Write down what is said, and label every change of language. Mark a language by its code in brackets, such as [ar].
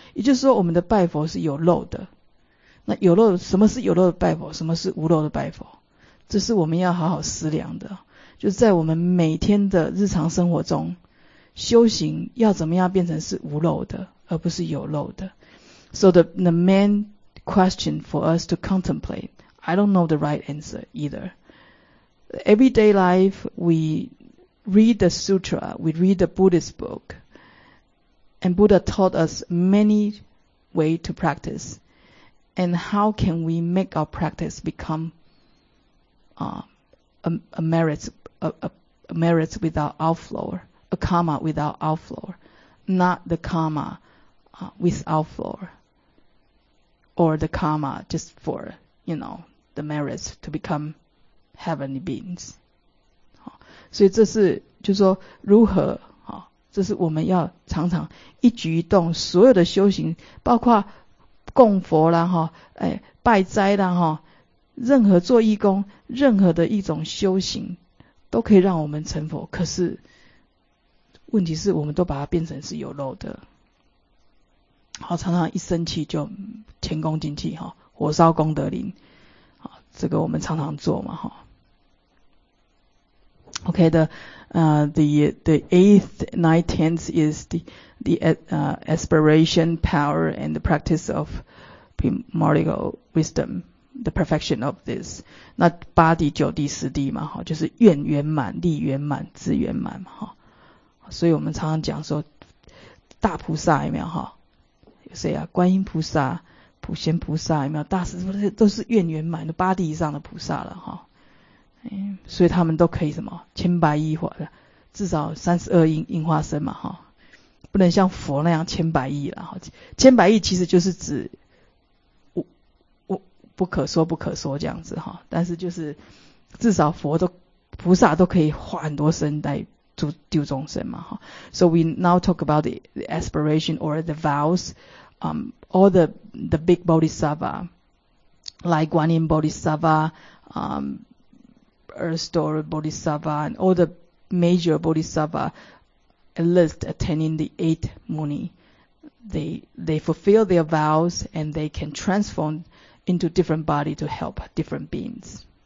[zh] 也就是说，我们的拜佛是有漏的。那有漏，什么是有漏的拜佛？什么是无漏的拜佛？这是我们要好好思量的。就是在我们每天的日常生活中，修行要怎么样变成是无漏的，而不是有漏的。 [en] So the main question for us to contemplate, I don't know the right answer either. Everyday life, we read the sutra, we read the Buddhist book, and Buddha taught us many ways to practice. And how can we make our practice become a merit without outflow, a karma without outflow, not the karma with outflow. Or the karma just for, you know, the merits to become heavenly beings. [zh] 所以这是就是说如何，这是我们要常常一举一动所有的修行，包括供佛啦，拜斋啦，任何做义工，任何的一种修行都可以让我们成佛。可是问题是我们都把它变成是有漏的，好，常常一生气就前功尽弃，火烧功德林，这个我们常常做嘛。 [en] OK, the 8th, 9th, 10th is the aspiration, power, and the practice of primordial wisdom, the perfection of this. [zh] 那八地九地十地嘛，就是愿圆满，力圆满，智圆满嘛。所以我们常常讲说大菩萨有没有，谁啊？观音菩萨、普贤菩萨，有没有大师？都是愿圆满的八地以上的菩萨了，哈。所以他们都可以什么千百亿化，至少32应化身嘛，哈。不能像佛那样千百亿了，哈。千百亿其实就是指我不可说不可说这样子，哈。但是就是至少佛都菩萨都可以化很多身来度众生嘛。 [en] So we now talk about the aspiration or the vows, all the big bodhisattva, like Guanyin bodhisattva, Erastor bodhisattva, and all the major bodhisattva, at least attaining the 8th muni, they fulfill their vows and they can transform into different body to help different beings.